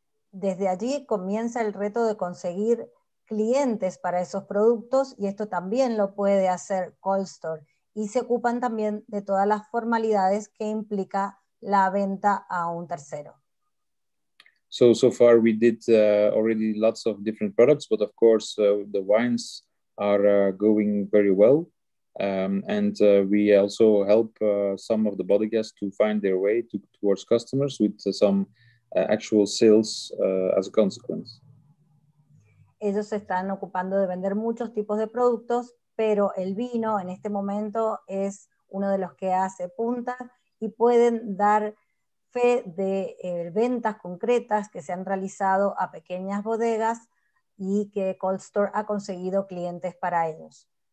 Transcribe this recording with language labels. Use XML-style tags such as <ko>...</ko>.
<es>Desde allí comienza el reto de conseguir clientes para esos productos y esto también lo puede hacer Cold Store. Y se ocupan también de todas las formalidades que implica la venta a un tercero.</es> <en>So far we did already lots of different products, but of course the wines are going very well. We also help some of the bodegas to find their way towards customers with some actual sales as a consequence.</en> <es>Ellos están ocupando de vender muchos tipos de productos, pero el vino en este momento es uno de los que hace punta y pueden dar fe de ventas concretas que se han realizado a pequeñas bodegas y que Cold Store ha conseguido clientes para ellos.</es>